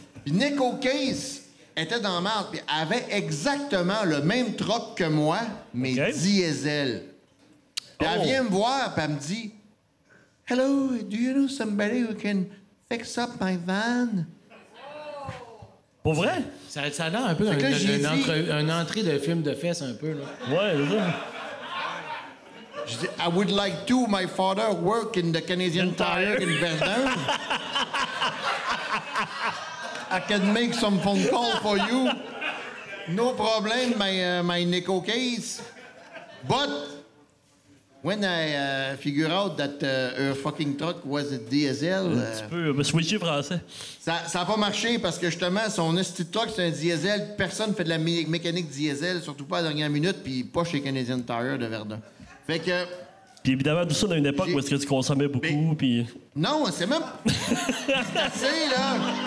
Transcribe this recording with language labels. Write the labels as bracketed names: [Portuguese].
[French] Puis, Nico Case était dans marde, puis avait exactement le même troc que moi, mais okay. Diesel. Puis, oh. Elle vient me voir, puis elle me dit, « [English] Hello, do you know somebody who can fix up my van? » [French] Pour vrai? Ça a l'air un peu une entrée de film de fesses, un peu, là. Ouais, c'est ça. Je dis, [English] I would like to, my father work in the Canadian Tire in Verdun. I can make some phone call for you. No problem, my Nico Case. But, when I figure out that her fucking truck was a diesel... [French] Tu peux me switcher français. Ça a pas marché parce que justement, son esti truck, c'est un diesel. Personne fait de la mécanique diesel, surtout pas à la dernière minute, puis pas chez Canadian Tire de Verdun. Fait que... Puis évidemment, tout ça dans une époque où est-ce que tu consommais beaucoup, mais... puis... Non, c'est même... c'est là!